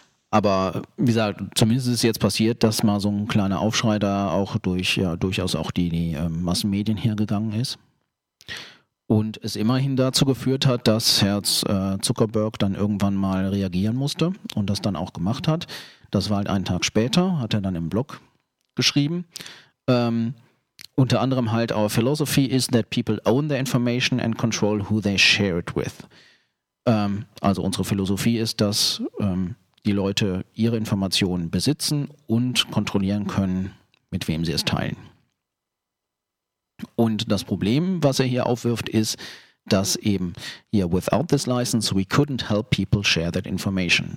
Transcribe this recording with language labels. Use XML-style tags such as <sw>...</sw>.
<de>Aber wie gesagt, zumindest ist es jetzt passiert, dass mal so ein kleiner Aufschrei da auch durchaus auch die Massenmedien hergegangen ist. Und es immerhin dazu geführt hat, dass Herr Zuckerberg dann irgendwann mal reagieren musste und das dann auch gemacht hat. Das war halt einen Tag später, hat er dann im Blog geschrieben. Unter anderem halt,</de> <en>our philosophy is that people own the information and control who they share it with.</en> <de>Also unsere Philosophie ist, dass die Leute ihre Informationen besitzen und kontrollieren können, mit wem sie es teilen. Und das Problem, was er hier aufwirft, ist, dass eben hier,</de> <en>without this license, we couldn't help people share that information.</en>